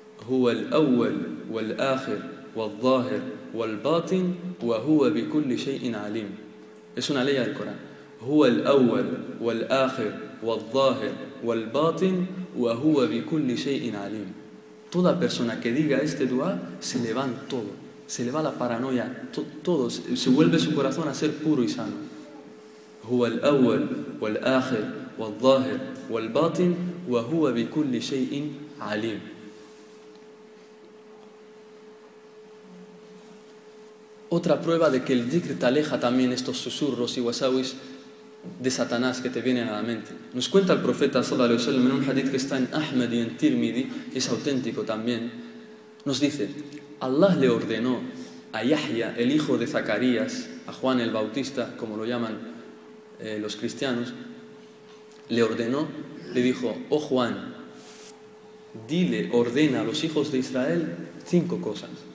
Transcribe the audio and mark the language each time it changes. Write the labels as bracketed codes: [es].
[ar] هو الأول والآخر والظاهر والباطن وهو بكل شيء عليم. [es] Es una ley del Corán. [ar] هو الأول والآخر والظاهر والباطن وهو بكل شيء عليم. [es] Toda persona que diga este dua se le van todo, se le va la paranoia, todo se vuelve su corazón a ser puro y sano. [ar] هو الأول والآخر والظاهر والباطن وهو بكل شيء عليم. [es] Otra prueba de que el dhikr te aleja también estos susurros y wasawis de Satanás que te vienen a la mente. Nos cuenta el profeta sallallahu alaihi wasallam en un hadith que está en Ahmad y en Tirmidhi, es auténtico también. Nos dice: Allah le ordenó a Yahya, el hijo de Zacarías, a Juan el Bautista, como lo llaman los cristianos, le ordenó, le dijo: Oh Juan, dile, ordena a los hijos de Israel cinco cosas.